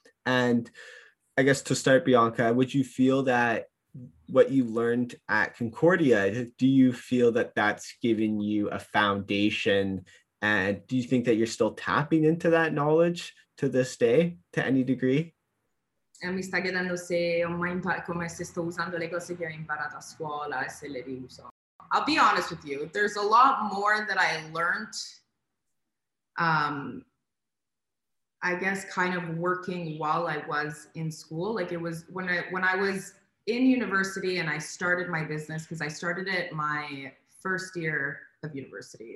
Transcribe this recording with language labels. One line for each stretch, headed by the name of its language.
English: And I guess to start, Bianca, would you feel that what you learned at Concordia, do you feel that that's given you a foundation? And do you think that you're still tapping into that knowledge to this day, to any degree?
Italian: E mi sta chiedendo se ho mai imparato, come se sto usando le cose che ho imparato a scuola e se le riuso.
English: I'll be honest with you, there's a lot more that I learned, I guess, kind of working while I was in school. Like it was when I was in university and I started my business, because I started it my first year of university.